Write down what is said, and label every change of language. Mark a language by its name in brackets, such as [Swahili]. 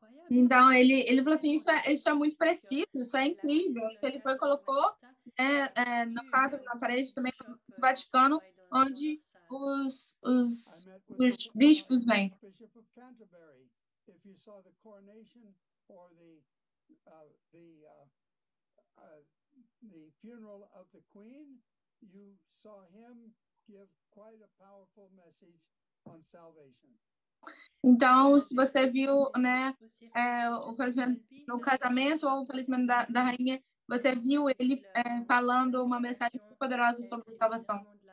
[Portuguese] Então ele falou assim, isso é muito preciso, isso é incrível. Ele foi colocou no quadro na parede também no Vaticano, onde os bishops vêm. [English] Bishop of Canterbury, if you saw the coronation or the funeral of the queen, you saw him give quite a powerful message on salvation. [Portuguese] Então, se você viu, né, o falecimento, no casamento ou o falecimento da rainha, você viu ele falando uma mensagem muito poderosa sobre a salvação.